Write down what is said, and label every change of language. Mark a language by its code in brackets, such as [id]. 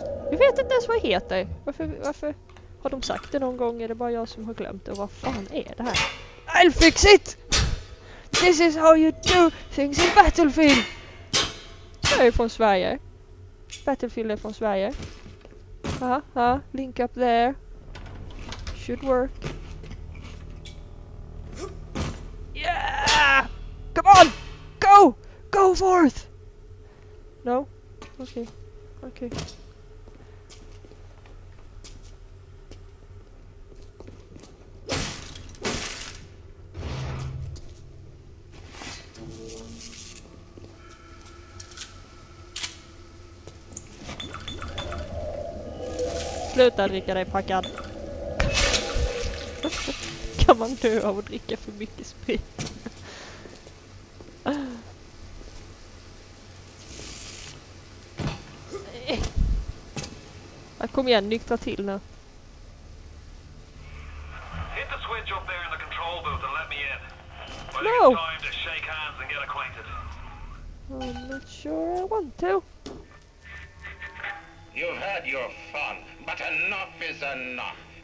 [sv] Jag vet inte ens vad heter det. Varför har de sagt det någon gång? Är det bara jag som har glömt det? Vad fan är det här? [en] I'll fix it! This is how you do things in Battlefield! [sv] Jag är från Sverige. Battlefield är från Sverige. [en] Aha, link up there. Should work. Yeah! Come on! Go! Go forth! No? Okay. Okay. [sv] Sluta dricka dig packad. Kan man dö av att dricka för mycket sprit? Jag kommer igen, nyktra till nu. [en] Hit the switch up there in the control booth and let me in. Well, no. It's time to shake hands and get acquainted. I'm not sure I want to. You had your fun. But enough is enough.